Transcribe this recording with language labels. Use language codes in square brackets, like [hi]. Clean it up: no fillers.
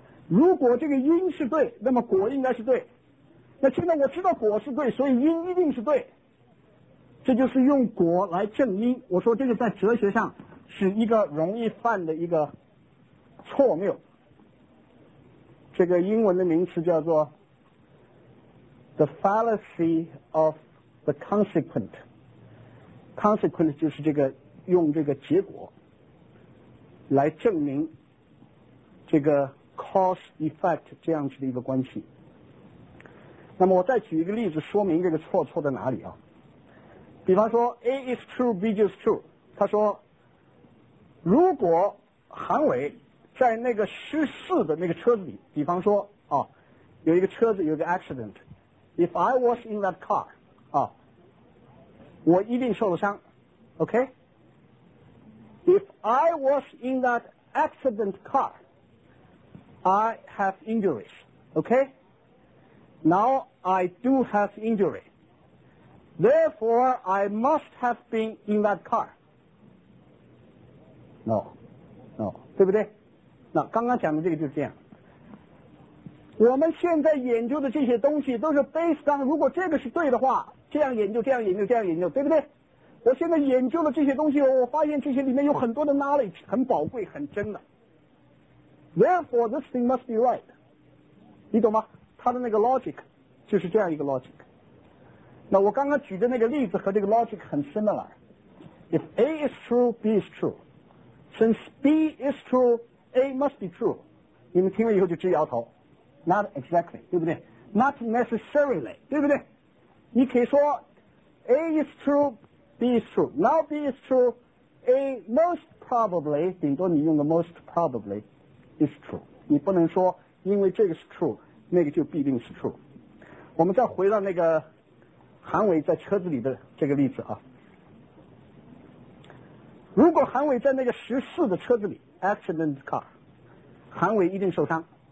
[zh] 如果这个因是对，那么果应该是对。那现在我知道果是对，所以因一定是对。这就是用果来证因。我说这个在哲学上是一个容易犯的一个错谬。这个英文的名词叫做 The fallacy of the consequent。 Consequent 就是这个用这个结果来证明这个 cause effect 这样子的一个关系。那么我再举一个例子说明这个错错在哪里啊。比方说 [en] A is true, B is true。 [zh] 他说如果韩伟在那个失事的那个车子里，比方说啊，有一个车子有个 accident， [en] If I was in that car [zh] 啊，我一定受了伤， OK。 [en] If I was in that accident car I have injuries， OK。 Now I do have injury， Therefore I must have been in that car。 No No， [zh] 对不对？那刚刚讲的这个就是这样。我们现在研究的这些东西都是 based on， 如果这个是对的话，这样研究，这样研究，这样研究，对不对？我现在研究的这些东西，我发现这些里面有很多的 knowledge， 很宝贵，很真的。 [en] Therefore, this thing must be right。 [zh] 你懂吗？它的那个 logic 就是这样一个 logic。那我刚刚举的那个例子和这个 logic 很 similar。 [en] If A is true, B is true。 Since B is true,A must be true， [zh] 你们听了以后就直摇头。 [en] Not exactly， [zh] 对不对？ [en] Not necessarily， 对不对？ [zh] 你可以说 [en] A is true， B is true。 Now B is true， A most probably， [zh] 顶多你用的 [en] most probably is true。 [zh] 你不能说因为这个是 true， 那个就必定是 true。我们再回到那个韩伟在车子里的这个例子啊。如果韩伟在那个14的车子里accident car， 韩伟一定受伤。